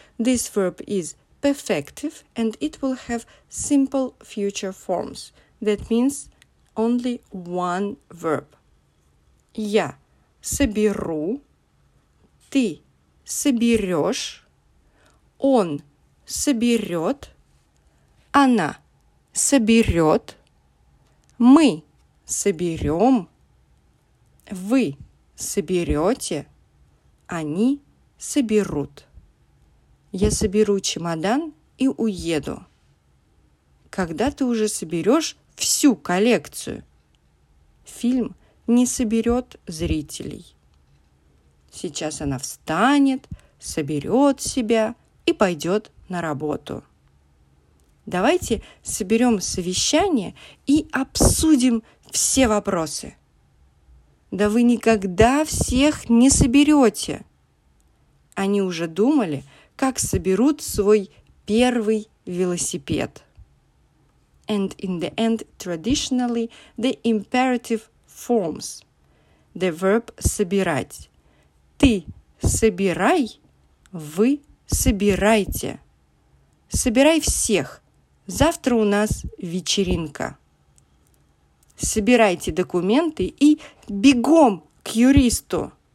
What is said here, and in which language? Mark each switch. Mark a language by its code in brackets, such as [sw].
[en] This verb is perfective and it will have simple future forms. That means only one verb. [ru] Я соберу, ты соберешь, он соберет, она соберет, мы соберем, вы соберете, они соберут. Я соберу чемодан и уеду. Когда ты уже соберешь всю коллекцию? Фильм не соберет зрителей. Сейчас она встанет, соберет себя и пойдет на работу. Давайте соберем совещание и обсудим все вопросы. Да вы никогда всех не соберете. Они уже думали, как соберут свой первый велосипед. [en] And in the end, traditionally, the imperative forms. The verb собирать. [ru] Ты собирай, вы собирайте. Собирай всех. Завтра у нас вечеринка. Собирайте документы и бегом к юристу.